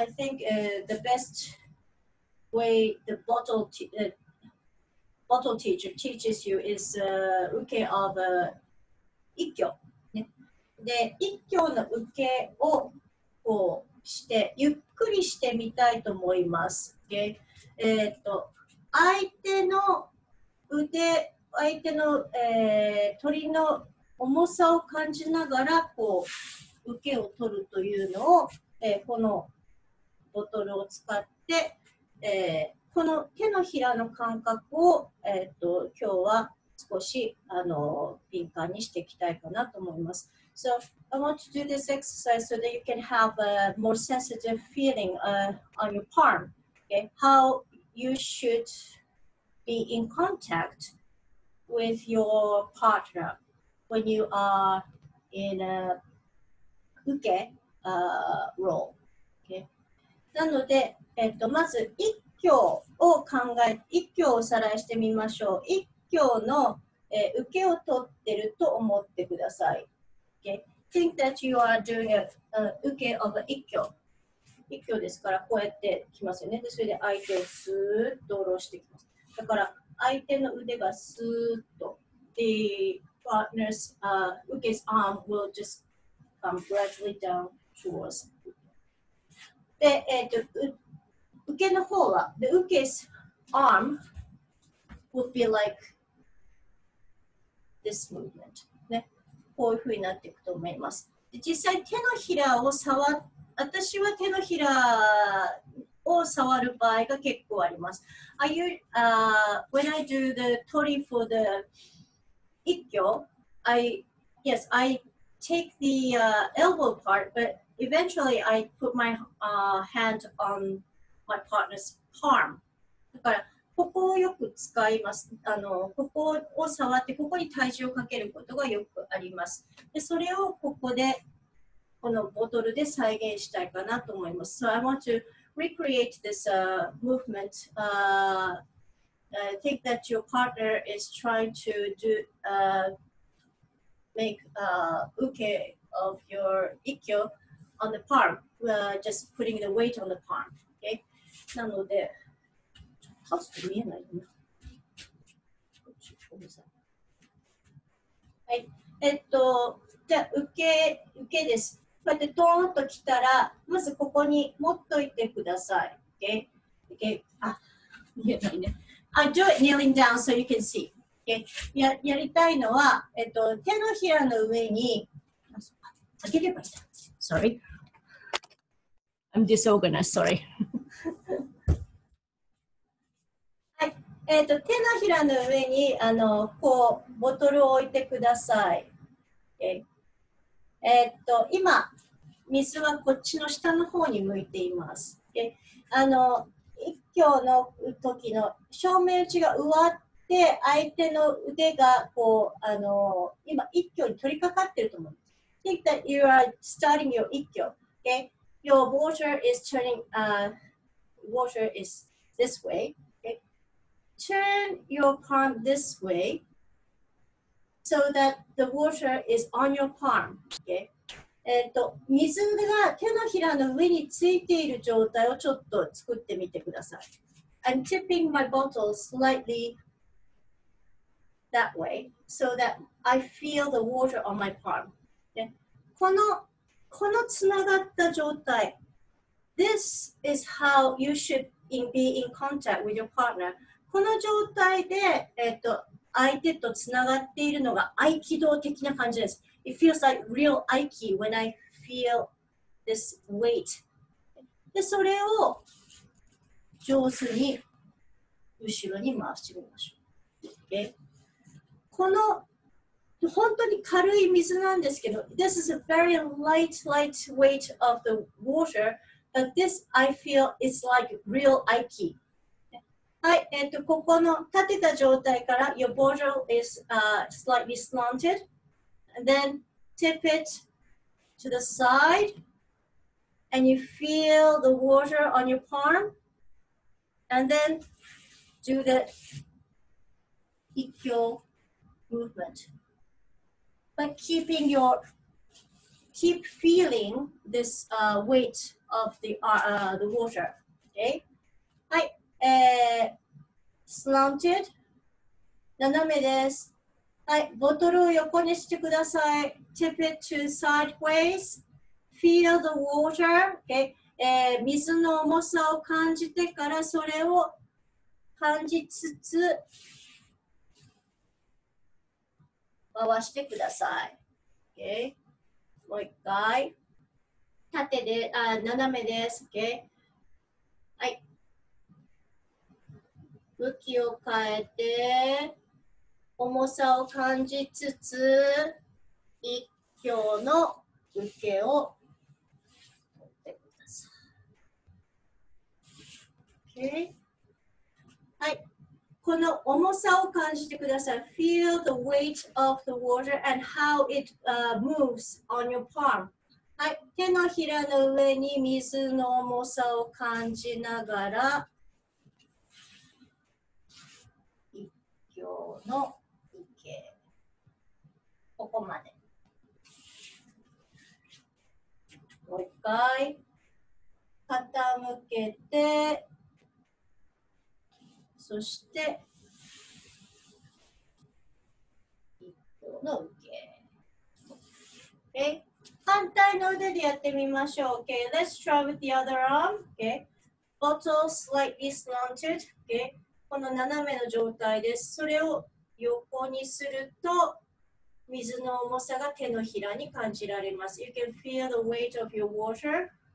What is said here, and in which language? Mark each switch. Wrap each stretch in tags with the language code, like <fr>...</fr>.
<en>I think the best way the bottle teacher teaches you is 受けof</en> <ja>一強。ね、で一強の受けをこうしてゆっくりしてみたいと思います。で、相手の腕、相手の、鳥の重さを感じながらこう受けを取るというのを、このボトルを使って、この手のひらの感覚を、今日は少し敏感にしていきたいかなと思います。</ja> <en>So,I want to do this exercise so that you can have a more sensitive feeling on your palm. Okay? How you should be in contact with your partner when you are in a 受け role. Okay?</en> <ja>なので、まず一強を考え、一強をおさらいしてみましょう。一強の、受けを取ってると思ってください。</ja> <en>Okay? Think that you are doing a 受けof 一挙。</en> <ja>一挙ですからこうやって来ますよね。でそれで相手をスーッと下ろしてきます。だから相手の腕がスーッとで</ja> <en>partner's Uke's arm will just come gradually down towards</en> <ja>で、Uke の方は、で、</ja> <en>Uke's arm would be like this movement</en> <ja>ね、こういう風になっていくと思います。で、実際手のひらを触っ、私は手のひらを触る場合が結構あります。</ja> <en>Are you, when I do the tori for the 一挙, yes, I take the elbow part, but eventually I put my hand on my partner's palm.</en> <ja>だから、ここをよく使います。あの、ここを触って、ここに体重をかけることがよくあります。で、それをここで、このボトルで再現したいかなと思います。</ja> <en>So I want to recreate this movement. I think that your partner is trying to do, make a uke of your ikkyo on the palm, just putting the weight on the palm. Okay?</en> <ja>なので、倒すと見えないかな。はい。じゃあ、uke です。こうやってドーンと来たら、まずここに持っといてください。</ja> <en>Okay? Okay?</en> <ja>あ、見えないね。</ja> <en>I do it kneeling down so you can see. Okay?</en> <ja>やりたいのは、手のひらの上に、あげればいいだ。</ja> <en>Sorry. I'm disorganized, sorry.</en> <ja>はい。手のひらの上に、こう、ボトルを置いてください。</ja> <en>Okay?</en> <ja>今、水はこっちの下の方に向いています。で、一挙の時の正面打ちが終わって、相手の腕がこう、今、一挙に取り掛かっていると思うんです。</ja> <en>Think that you are starting your 一挙。Okay? Your water is turning, water is this way. Okay? Turn your palm this way. So that the water is on your palm. Okay.</en> <ja>水が手のひらの上についている状態をちょっと作ってみてください。</ja> <en>I'm tipping my bottle slightly that way so that I feel the water on my palm. Okay.</en> <ja>このつながった状態。</ja> <en>This is how you should be in contact with your partner.</en> <ja>この状態で、相手とつながっているのが合気道的な感じです。</ja> <en>It feels like real Aiki when I feel this weight.</en> <ja>で、それを上手に後ろに回してみましょう。</ja> <en>Okay?</en> <ja>この本当に軽い水なんですけど、</ja> <en>This is a very light, light weight of the water, but this I feel is like real Aiki.</en> <ja>はい、ここの立てた状態から</ja> <en>Your bottle is slightly slanted and then tip it to the side and you feel the water on your palm and then do the 一挙 movement but keep feeling this weight of the water, okay?</en> <ja>はい、 slanted 斜めです。はい、ボトルを横にしてください。</ja> <en>tip it to sideways, feel the water、okay?</en> <ja>水の重さを感じてから、それを感じつつ回してください。 OK, もう一回斜めです。 OK, はい、向きを変えて、重さを感じつつ、一挙の受けを取ってください。</ja> <en>Okay.</en> <ja>はい。この重さを感じてください。</ja> <en>Feel the weight of the water and how it moves on your palm.</en> <ja>はい。手のひらの上に水の重さを感じながら、の受け、ここまで。もう一回傾けて、そして一挙の受</ja> <en>Okay.</en> <ja>反対の腕でやってみましょう。</ja> <en>Okay. Let's try with the other arm. Okay. Bottle slightly slanted. Okay.</en> <ja>この斜めの状態です。それを横にすると水の重さが手のひらに感じられます。</ja> <en>You can feel the weight of your water.</en>